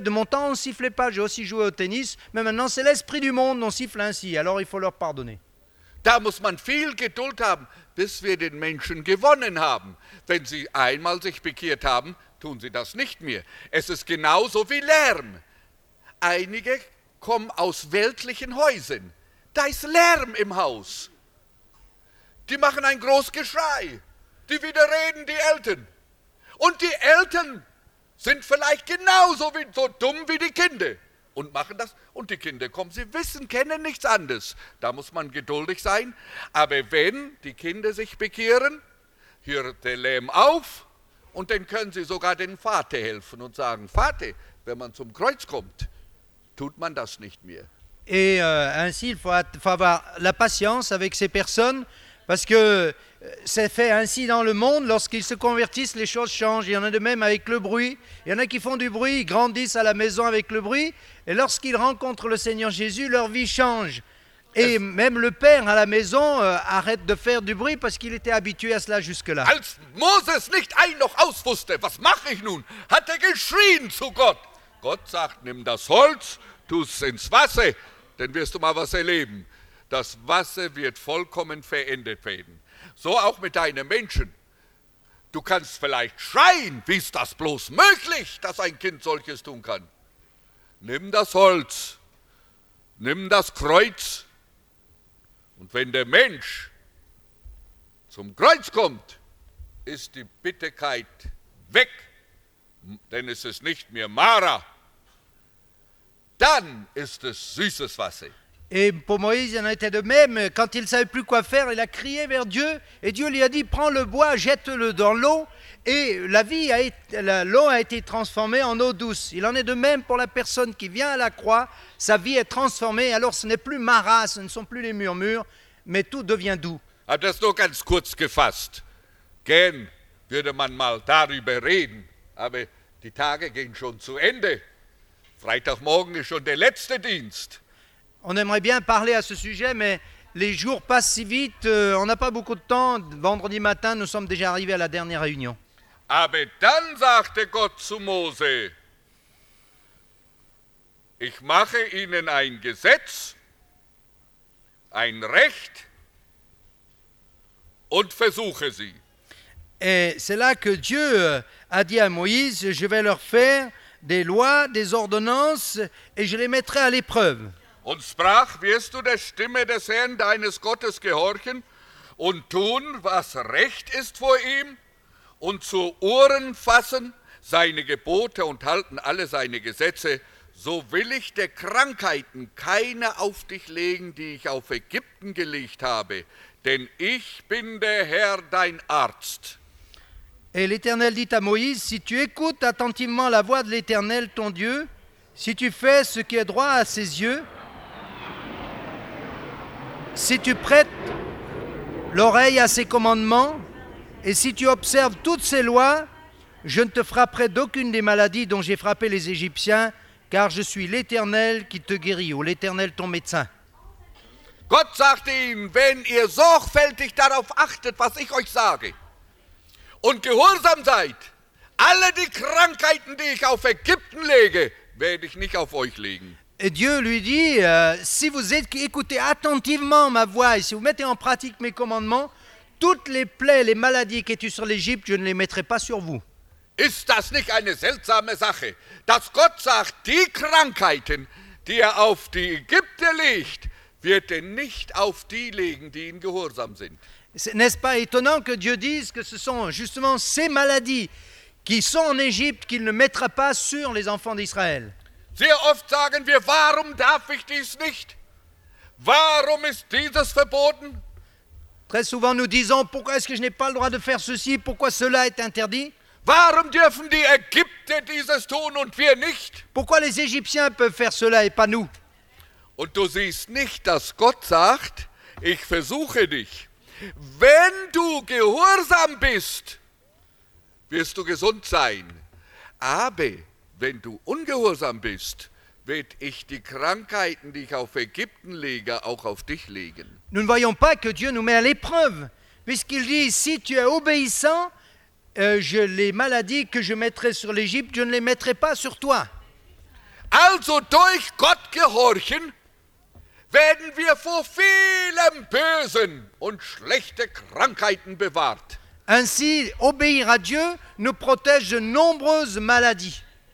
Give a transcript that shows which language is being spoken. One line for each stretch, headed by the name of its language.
French: De mon temps, on ne sifflait pas. J'ai aussi joué au tennis. Mais maintenant, c'est l'esprit du monde. On siffle ainsi. Alors, il faut leur pardonner.
German: Da muss man viel Geduld haben, bis wir den Menschen gewonnen haben. Wenn sie einmal sich bekehrt haben, tun sie das nicht mehr. Es ist genauso wie Lärm. Einige kommen aus weltlichen Häusern. Da ist Lärm im Haus. Die machen ein großes Geschrei. Die widerreden die Eltern. Und die Eltern sind vielleicht genauso wie, so dumm wie die Kinder. Und machen das. Und die Kinder kommen, sie wissen, kennen nichts anderes. Da muss man geduldig sein. Aber wenn die Kinder sich bekehren, hört der Lärm auf. Und dann können sie sogar den Vater helfen und sagen, Vater, wenn man zum Kreuz kommt, tut man das nicht mehr.
French: Et ainsi, il faut avoir la patience avec ces personnes, parce que c'est fait ainsi dans le monde, lorsqu'ils se convertissent, les choses changent. Il y en a de même avec le bruit. Il y en a qui font du bruit, ils grandissent à la maison avec le bruit, et lorsqu'ils rencontrent le Seigneur Jésus, leur vie change. Et même le père à la maison arrête de faire du bruit parce qu'il était habitué à cela jusque-là.
German: Als Moses nicht ein noch aus wusste, was mache ich nun, hat geschrien zu Gott. Gott sagt, nimm das Holz, tu es ins Wasser, dann wirst du mal was erleben. Das Wasser wird vollkommen verändert werden. So auch mit deinen Menschen. Du kannst vielleicht schreien, wie ist das bloß möglich, dass ein Kind solches tun kann. Nimm das Holz. Nimm das Kreuz und wenn der Mensch zum Kreuz kommt, ist die Bitterkeit weg, denn es ist nicht mehr Mara, dann ist es süßes Wasser.
French: Et pour Moïse, il en était de même. Quand il ne savait plus quoi faire, il a crié vers Dieu. Et Dieu lui a dit, prends le bois, jette-le dans l'eau. Et l'eau a été transformée en eau douce. Il en est de même pour la personne qui vient à la croix. Sa vie est transformée. Alors ce n'est plus Mara, ce ne sont plus les murmures, mais tout devient doux.
German: Aber das nur ganz kurz gefasst. Gern würde man mal darüber reden. Aber die Tage gehen schon zu Ende. Freitagmorgen ist schon der letzte Dienst.
French: On aimerait bien parler à ce sujet, mais les jours passent si vite, on n'a pas beaucoup de temps. Vendredi matin, nous sommes déjà arrivés à la dernière réunion.
German: Aber dann sagte Gott zu Mose, ich mache ihnen ein Gesetz, ein Recht und versuche sie.
French: Et c'est là que Dieu a dit à Moïse, je vais leur faire des lois, des ordonnances et je les mettrai à l'épreuve.
German: Und sprach, wirst du der Stimme des Herrn, deines Gottes, gehorchen und tun, was recht ist vor ihm und zu Ohren fassen seine Gebote und halten alle seine Gesetze, so will ich der Krankheiten keine auf dich legen, die ich auf Ägypten gelegt habe, denn ich bin der Herr, dein Arzt.
French: Et l'Éternel dit à Moïse, si tu écoutes attentivement la voix de l'Éternel, ton Dieu, si tu fais ce qui est droit à ses yeux, si tu prêtes l'oreille à ses commandements et si tu observes toutes ses lois, Je ne te frapperai d'aucune des maladies dont j'ai frappé les Égyptiens, car je suis l'Éternel qui te guérit, ou l'Éternel ton médecin.
German: Gott sagte ihm, wenn ihr sorgfältig darauf achtet, was ich euch sage, und gehorsam seid, alle die Krankheiten, die ich auf Ägypten lege, werde ich nicht auf euch legen.
French: Et Dieu lui dit, si vous écoutez attentivement ma voix et si vous mettez en pratique mes commandements, toutes les plaies, les maladies qui étaient sur l'Égypte, je ne les mettrai pas sur vous.
German: Ist das nicht eine seltsame Sache, dass Gott sagt, die Krankheiten, die er auf die Ägypter legt, wird er nicht auf die legen, die ihm gehorsam sind.
French: N'est-ce pas étonnant que Dieu dise que ce sont justement ces maladies qui sont en Égypte qu'il ne mettra pas sur les enfants d'Israël?
German: Sehr oft sagen wir, warum darf ich dies nicht? Warum ist dieses verboten?
French: Très souvent nous disons, pourquoi est-ce que je n'ai pas le droit de faire ceci? Pourquoi cela est interdit?
German: Warum dürfen die Ägypter dieses tun und wir nicht?
French: Pourquoi les Égyptiens peuvent faire cela et pas nous?
German: Und du siehst nicht, dass Gott sagt, ich versuche dich. Wenn du gehorsam bist, wirst du gesund sein. Aber wenn du ungehorsam bist, werde ich die Krankheiten, die ich auf Ägypten lege, auch auf dich legen.
French: Nous ne voyons pas que Dieu nous met à l'épreuve, puisqu'il dit, si tu es obéissant, les maladies que je mettrai sur l'Égypte, je ne les mettrai pas sur toi.
German: Also durch Gott gehorchen, werden wir vor vielen bösen und schlechten Krankheiten bewahrt.
French: Ainsi, obéir à Dieu nous protège de nombreuses maladies.